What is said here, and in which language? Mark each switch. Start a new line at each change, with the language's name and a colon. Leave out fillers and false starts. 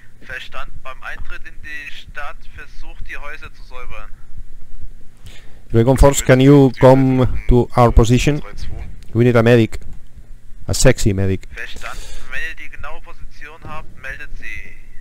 German: Verstanden, beim Eintritt in die Stadt versucht die Häuser zu säubern.
English: Dragon Force, can you come to our position? We need a medic. A sexy medic.
German: Verstanden. Wenn ihr die genaue Position habt, meldet sie.